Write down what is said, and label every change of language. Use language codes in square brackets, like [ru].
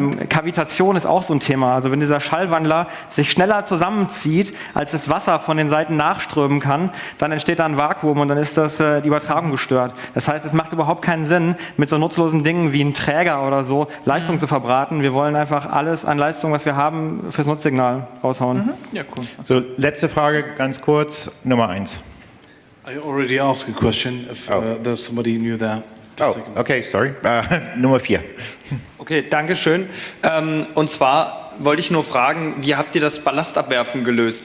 [de] Kavitation ist auch so ein Thema. Also wenn dieser Schallwandler sich schneller zusammenzieht, als das Wasser von den Seiten nachströmen kann, dann entsteht da ein Vakuum und dann ist das die Übertragung gestört. Das heißt, es macht überhaupt keinen Sinn, mit so nutzlosen Dingen wie einem Träger oder so Leistung zu verbraten. Wir wollen einfach alles an Leistung, was wir haben, fürs Nutzsignal raushauen. Mhm. Ja, cool. So, letzte Frage, ganz kurz, Nummer 1. [en] I already asked a question, there's somebody new there. [de] Okay, sorry. Nummer 4. Okay, danke schön. Und zwar wollte ich nur fragen, wie habt ihr das Ballastabwerfen gelöst?